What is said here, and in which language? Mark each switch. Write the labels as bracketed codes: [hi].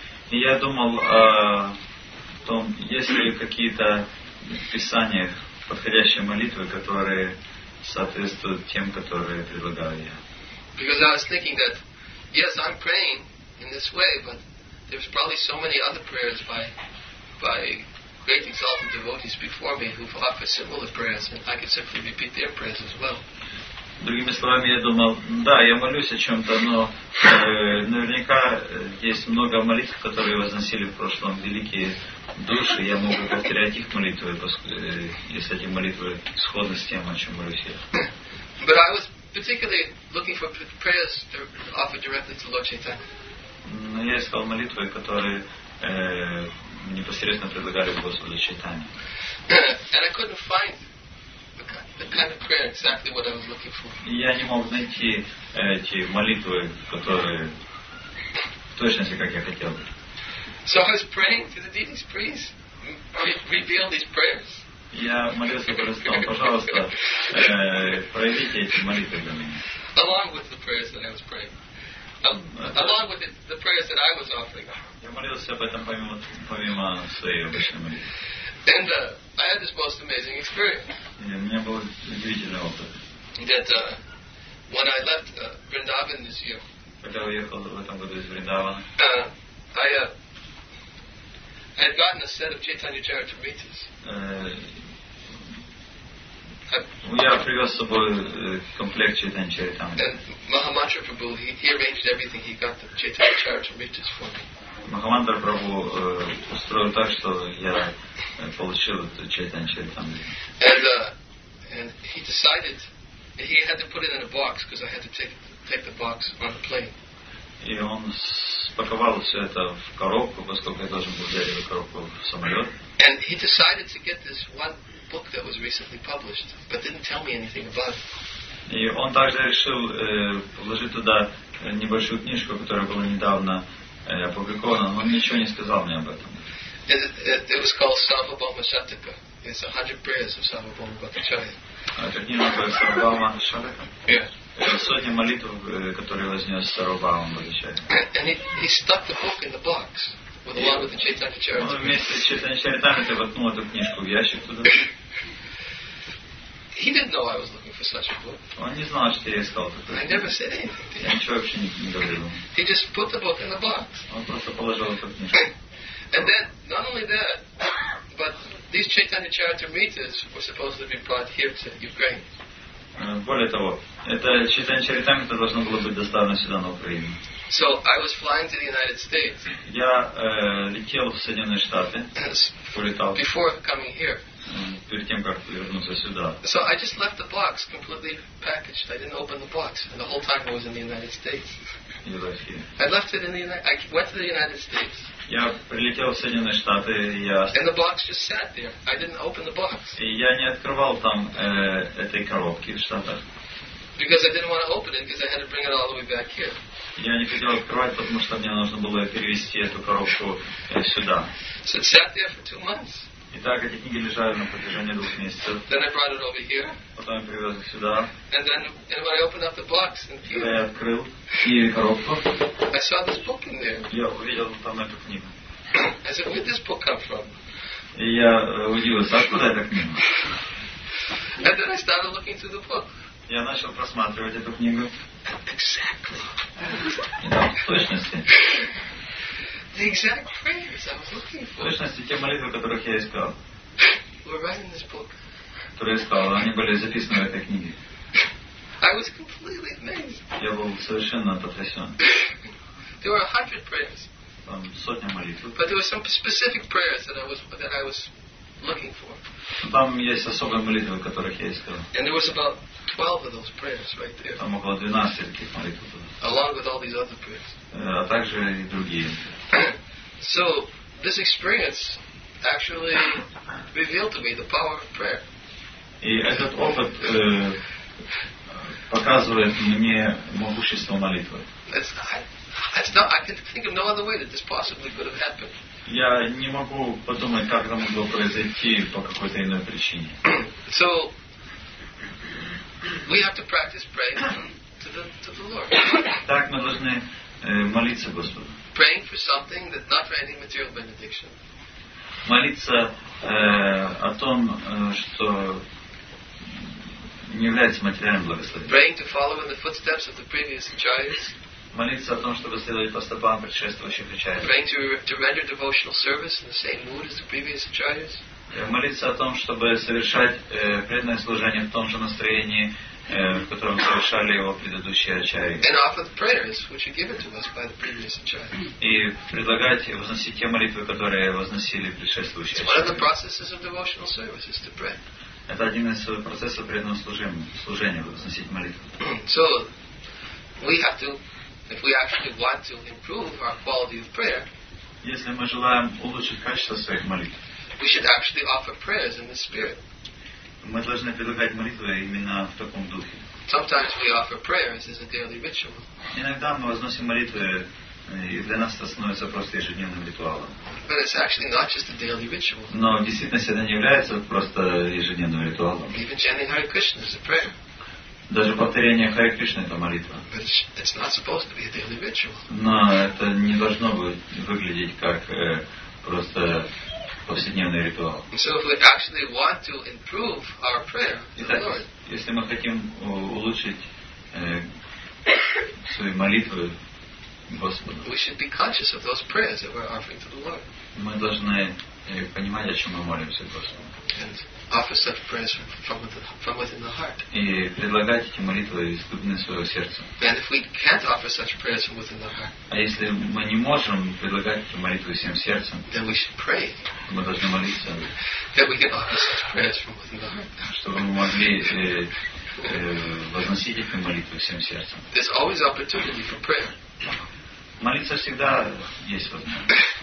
[ru] Я думал о том, есть ли какие-то в писаниях подходящие молитвы, которые соответствуют тем, которые предлагаю я. [en] Because I was thinking that yes, I'm praying in this way, but there's probably so many other prayers by great exalted devotees before me who've offered similar prayers, and I can simply repeat their prayers as well. [ru] Другими словами, я думал, да, я молюсь о чем-то, но наверняка есть много молитв, которые возносили в прошлом великие души, я могу повторять их молитвы, если эти молитвы сходны с тем, о чем молюсь я. [en] But I was particularly looking for prayers offered directly to Lord Chaitanya. [ru] Но я искал молитвы, которые непосредственно предлагали Господу Чайтанья. [en] And I couldn't find the kind of prayer exactly what I was looking for. [ru] Я не мог найти эти молитвы, которые точно так, как я хотел. [en] So I was praying to the deities, please reveal these prayers. [ru] Я молился, говорил, пожалуйста, проявите эти молитвы для меня. [en] Along with the prayers that I was praying. Along with the prayers that I was offering. [ru] Я молился об этом помимо своей обычной молитвы. [en] And I had this most amazing experience. Yeah, [ru] у меня был удивительный опыт. [en] That when I left Vrindavan this year. [ru] Когда уехал в этом году из Вриндавана. [en] I I had gotten a set of Chaitanya Charitamritas. [ru] Я привез с собой комплект Chaitanya Charitamrita. [en] And Mahamantra Prabhu, he arranged everything. He got the Chaitanya Charitamritas for me. [ru] Mahamantra Prabhu устроил так, что я получил эту Chaitanya Charitamrita. [en] And he decided he had to put it in a box because I had to take the box on the plane. [ru] И он спаковал все это в коробку, поскольку я должен был взять эту коробку в самолет. [en] And he decided to get this one book that was recently published, but didn't tell me anything about it. [ru] И он также решил положить туда небольшую книжку, которая была недавно опубликована, но он ничего не сказал мне об этом. [en] It was called Sarvabhauma Shataka. It's 100 prayers of Sarvabhauma Bhattacharya. [ru] Это книга про Sarvabhauma Shataka? [en] Yeah. [ru] Сотни молитв, которые вознес Сарвабхауму Бхаттачарья. [en] And he stuck the book in the box with along with the Chaitanya Charitamrita. [ru] Он вместе с Chaitanya Charitamrita воткнул эту книжку в ящик туда. [en] He didn't know I was looking for such a book. [ru] Он не знал, что я искал такую. [en] I never said anything. [ru] Я ничего вообще не говорил. [en] He just put the book in the box. [ru] Он просто положил эту книжку. [en] And then, not only that, but these Chaitanya Charitamritas were supposed to be brought here to Ukraine. [ru] Более того, это Chaitanya Charitamrita должно было быть доставлено сюда, на Украину. [en] So I was flying to the United States. [ru] Я летел в Соединенные Штаты. Полетал. [en] Before coming here. [ru] Перед тем, как вернуться сюда. [en] So I just left the box completely packaged. I didn't open the box. And the whole time I was in the United States. I left it in the United States. I went to the United States. [ru] Я прилетел в Соединенные Штаты. [en] And the box just sat there. I didn't open the box. [ru] И я не открывал там этой коробки в Штатах. [en] Because I didn't want to open it because I had to bring it all the way back here. [ru] Я не хотел открывать, потому что мне нужно было перевезти эту коробку сюда. [en] So it sat there for 2 months. [ru] Итак, эти книги лежали на протяжении 2 месяцев. [en] Then I brought it over here. [ru] Потом я привез их сюда. [en] And then when I opened up the box and here, [ru] я открыл книгу коробку. [en] I saw this book in there. [ru] Я увидел там эту книгу. [en] I said, where did this book come from? [ru] И я удивился, откуда эта книга? [en] And then I started looking through the book. [ru] Я начал просматривать эту книгу. [en] Exactly. [ru] Да, в точности. [en] The exact prayers I was looking for. [ru] В точности те молитвы, которых я искал. [en] Were right in this book. [ru] Которые искал, они были записаны в этой книге. [en] I was completely amazed. [ru] Я был совершенно потрясен. [en] There were 100 prayers. [ru] Там сотня молитв. [en] But there were some specific prayers that I was looking for. [ru] Там есть особые молитвы, которых я искал. [en] And there was about 12 of those prayers right there. [ru] Там около 12 таких молитв. [en] Along with all these other prayers. [ru] А также и другие. [en] So this experience actually revealed to me the power of prayer. [ru] И этот опыт показывает мне могущество молитвы. [en] I can think of no other way that this possibly could have happened. [ru] Я не могу подумать, как это могло произойти по какой-то иной причине. [en] So we have to practice praying to the Lord. [ru] Так мы должны молиться Господу. [en] Praying for something that not for any material benediction. [ru] Молиться о том, что не является материальным благословением. [en] Praying to follow in the footsteps of the previous acharyas. [ru] Молиться о том, чтобы следовать по стопам предшествующих acharyas. [en] Praying to render devotional service in the same mood as the previous acharyas. [ru] Молиться о том, чтобы совершать преданное служение в том же настроении, в котором совершали его предыдущие ачарьи. И предлагать возносить те молитвы, которые возносили предшествующие ачарьи. Это один из процессов преданного служения, возносить молитвы. [en] So, we have to, if we actually want to improve our quality of prayer, [ru] если мы желаем улучшить качество своих молитв, [en] we should actually offer prayers in this spirit. [ru] Мы должны предлагать молитвы именно в таком духе. [en] Sometimes we offer prayers as a daily ritual. [ru] Иногда мы возносим молитвы, и для нас это становится просто ежедневным ритуалом. [en] But it's actually not just a daily ritual. [ru] Но в действительности это не является просто ежедневным ритуалом. [en] Even chanting Hare Krishna is a prayer. [ru] Даже повторение Харе Кришны — это молитва. [en] But it's not supposed to be a daily ritual. [ru] Но это не должно выглядеть как просто повседневный ритуал. [en] So if we actually want to improve our prayer to the Lord, [ru] если мы хотим улучшить свои молитвы Господу. [en] We should be conscious of those prayers that we're offering to the Lord. [ru] Мы должны понимать, о чем мы молимся Господу. [en] And offer such prayers from within the heart. [ru] И предлагать эти молитвы из глубины своего сердца. [en] And if we can't offer such prayers from within the heart. [ru] А если мы не можем предлагать эти молитвы всем сердцем? [en] Then we should pray. [ru] Мы должны молиться. [en] That we can offer such prayers from within the heart. [ru] Чтобы мы могли возносить эти молитвы всем сердцем. [en] There's always opportunity for prayer. [ru] Молиться всегда есть возможность.